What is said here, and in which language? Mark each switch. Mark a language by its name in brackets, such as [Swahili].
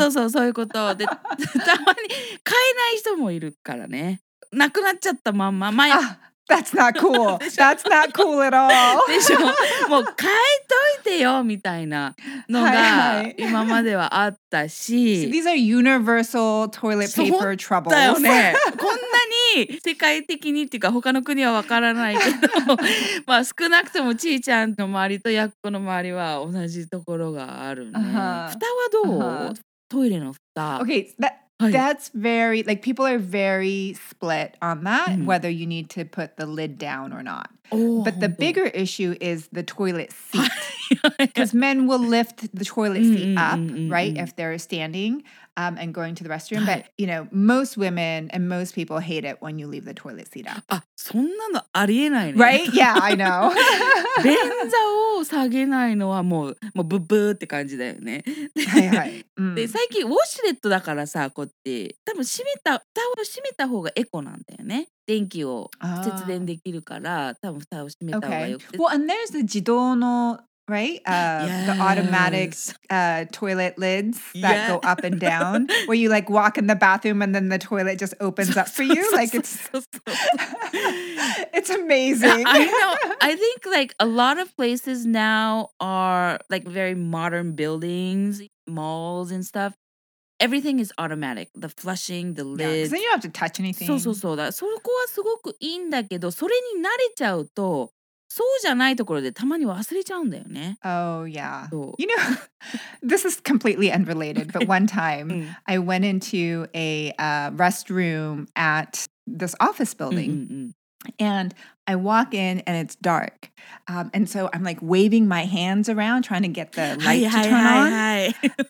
[Japanese] そういうこと。で、たまに買えない人もいるからね。なくなっちゃったまんま。 [English] That's not cool. That's not cool at all. [Japanese] でしょ。もう買えといてよみたいなのが今まではあったし。 [English] So these are universal toilet paper troubles. [Japanese] だよね。こんなに世界的にっていうか、他の国はわからないけど、まあ少なくともちーちゃんの周りとやっこの周りは同じところがあるね。蓋はどう？トイレの蓋。 [English] Okay, That's very, like, people are very split on that, whether you need to put the lid down or not. But the bigger issue is the toilet seat. Because men will lift the toilet seat up, right, if they're standing and going to the restroom. But, you know, most women and most people hate it when you leave the toilet seat up. [Japanese] そんなのありえないね。 [English] Right? Yeah, I know. [Japanese] 便座を下げないのはもうブブーって感じだよね。で、最近ウォシュレットだからさ、こうって多分閉めた、蓋を閉めた方がエコなんだよね。電気を節電できるから、 多分蓋を閉めた方がよくて。 [English] Well, and there's the 自動の… Right? The automatic toilet lids that go up and down where you like walk in the bathroom and then the toilet just opens up for you. Like it's amazing. I know. I think like a lot of places now are like very modern buildings, malls and stuff. Everything is automatic. The flushing, the lids. Yeah, then you don't have to touch anything. [Japanese] そうそうそうだ。そこはすごくいいんだけど、それに慣れちゃうと そうじゃないところでたまに忘れちゃうんだよね。 [English] Oh, yeah. You know, this is completely unrelated, but one time I went into a restroom at this office building and I walk in and it's dark. And so I'm like waving my hands around trying to get the light to turn on.